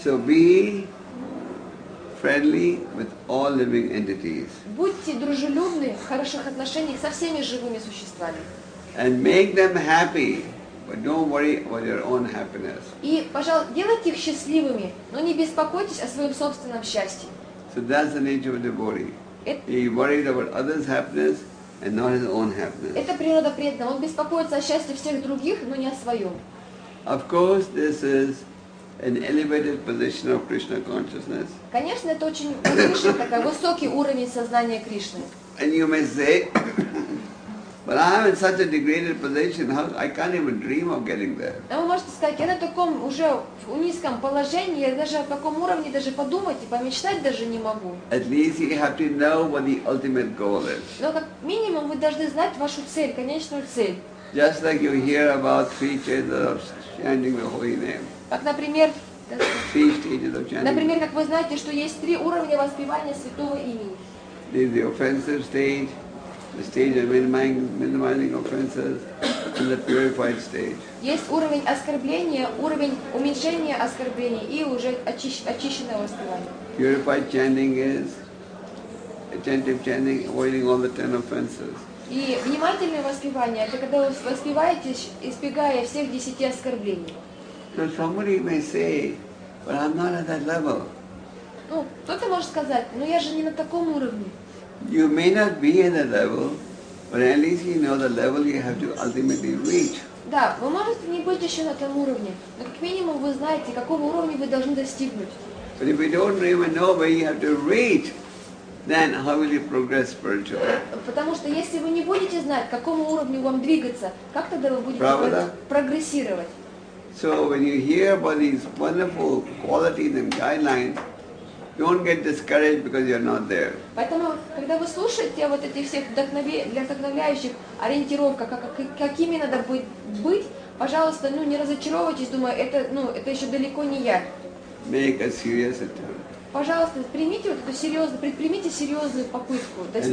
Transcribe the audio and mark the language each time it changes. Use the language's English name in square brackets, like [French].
[English] So be friendly with all living entities. [Russian] Будьте дружелюбны в хороших отношениях со всеми живыми существами. [English] And make them happy, but don't worry about your own happiness. [Russian] И, пожалуйста, делайте их счастливыми, но не беспокойтесь о своем собственном счастье. [English] So that's the nature of a devotee. He worries about others' happiness and not his own happiness. [Russian] Это природа преданного. Он беспокоится о счастье всех других, но не о своем. [English] Of course, this is an elevated position of Krishna consciousness. [Russian] Конечно, это очень высший, такой высокий уровень сознания Кришны. [English] And you may say, but I am in such a degraded position, how I can't even dream of getting there. [Russian] А вы можете сказать, я на таком уже в низком положении, я даже о таком уровне даже подумать и помечтать даже не могу. [English] At least you have to know what the ultimate goal is. [Russian] Но как минимум вы должны знать вашу цель, конечную цель. [English] Just like you hear about three chaitas of chanting the holy name. [Russian] Как, например, как вы знаете, что есть три уровня воспевания святого имени. [English] There is the offensive stage, the stage of minimizing offenses, to the purified stage. [Russian] Есть уровень оскорбления, уровень уменьшения оскорблений и уже очищенного оскорбления. [English] Purified chanting is attentive chanting, avoiding all the 10 offenses. [Russian] И внимательное воспевание — это когда вы воспеваете, избегая всех 10 оскорблений. [English] So somebody may say, but I'm not at that level. [Russian] Ну, кто-то может сказать, но я же не на таком уровне. [English] You may not be at that level, but at least you know the level you have to ultimately reach. [Russian] Да, вы можете не быть еще на том уровне, но как минимум вы знаете, какого уровня вы должны достигнуть. [English] But if you don't even know where you have to reach, then how will you progress spiritually? [Russian] Потому что если вы не будете знать, к какому уровню вам двигаться, как тогда вы будете прогрессировать? [English] So when you hear about these wonderful qualities and guidelines, don't get discouraged because you're not there. [Russian] Поэтому, когда вы слушаете вот этих всех вдохновляющих ориентировках, какими надо быть, пожалуйста, ну не разочаровывайтесь, думаю, это еще далеко не я. [English] Make a serious attempt. [Russian] Пожалуйста, примите вот эту серьезную, предпримите серьезную попытку